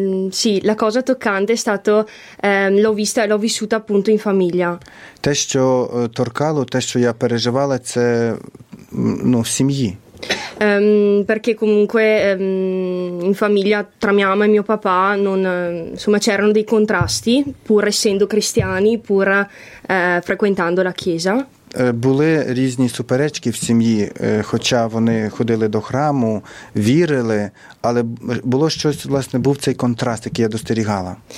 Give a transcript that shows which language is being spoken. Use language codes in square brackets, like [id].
[it] Sì, la cosa toccante è stato l'ho vista e l'ho vissuta appunto in famiglia. [uk] Те, що торкало, те, що я переживала, це ну, в сім'ї. [it] Perché comunque in famiglia tra mia mamma e mio papà non insomma c'erano dei contrasti, pur essendo cristiani, pur frequentando la chiesa. [uk] Були різні суперечки в сім'ї, хоча вони ходили до храму, вірили, але було щось, власне, був цей контраст, який я достерігала.